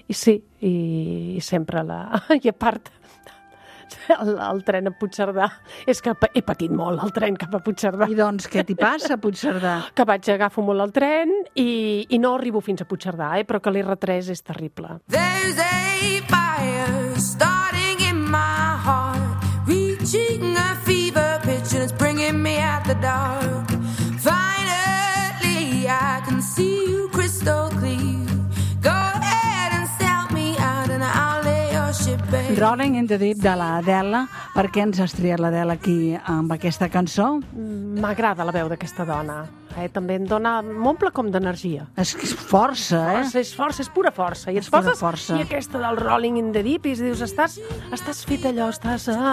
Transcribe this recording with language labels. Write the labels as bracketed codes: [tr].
[ca] I sempre la... I a part, el tren a Puigcerdà, és que he patit molt el tren cap a Puigcerdà. I doncs, què t'hi passa, Puigcerdà? Que vaig, agafo molt el tren i no arribo fins a Puigcerdà, eh, però que l'R3 és terrible. [en] There's a fire starting in my heart. Reaching a fever pitch and it's bringing me out the dark. Finally I can see you crystal clear. Go ahead and sell me out and I'll lay your ship bare. [ca] Rolling in the Deep de l'Adela. Per què ens has triat l'Adela aquí amb aquesta cançó? M'agrada la veu d'aquesta dona. També em dona, m'omple com d'energia. És força, eh? És pura força. I és pura força. I aquesta del Rolling in the Deep, i dius, estàs fet allò, estàs...